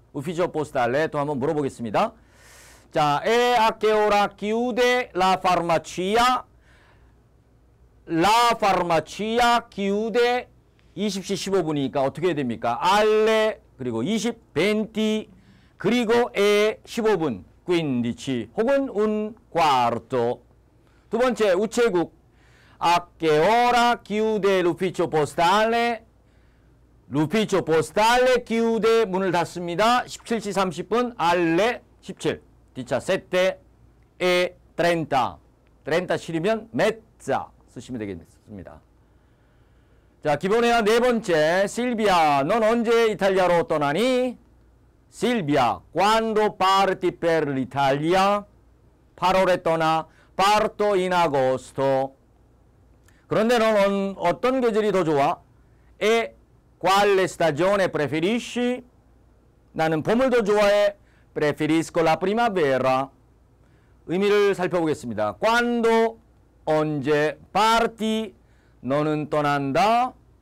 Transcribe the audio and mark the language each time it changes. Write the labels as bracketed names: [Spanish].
[Korean] 우피조 포스탈레 또 한번 물어보겠습니다. 자, 에, 아케오라 기우데 라 파르마치아. [Italian] La farmacia chiude [Korean] 20시 15분이니까 어떻게 해야 됩니까? alle 그리고 20, 20 그리고 e 15분 15 혹은 un quarto. 두 번째 우체국 [Italian] A che ora chiude l'ufficio postale? l'ufficio postale chiude [Korean] 문을 닫습니다. 17시 30분 alle 17 17 e 30 실이면 mezza 쓰시면 되겠습니다. 자, 기본에 네 번째 실비아 넌 언제 이탈리아로 떠나니? [Italian] 실비아 quando parti per l'Italia? [Korean] 8월에 떠나 [Italian] parto in agosto. [Korean] 그런데 너는 어떤 계절이 더 좋아? [Italian] e quale stagione preferisci? [Korean] 나는 봄을 더 좋아해. [Italian] Preferisco la primavera. [Korean] 의미를 살펴보겠습니다. Quando, 언제, parti, 너는 떠난다.